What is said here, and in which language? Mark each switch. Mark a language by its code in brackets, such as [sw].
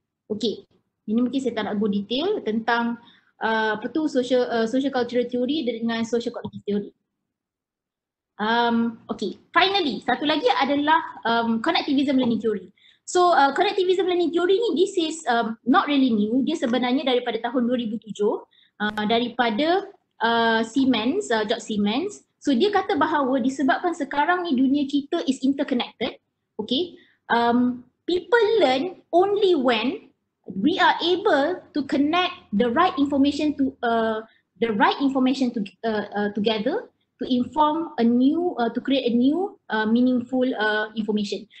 [ms] Okay, ini mungkin saya tak nak go detail tentang apa tu social cultural theory dengan social cognitive theory. Okay, finally satu lagi adalah connectivism learning theory. [en] So connectivism learning theory ni this is not really new. [ms] Dia sebenarnya daripada tahun 2007 daripada Siemens, George Siemens. So dia kata bahawa disebabkan sekarang ni dunia kita [en] is interconnected. Okay, people learn only when we are able to connect the right information to together to inform a new to create a new meaningful information.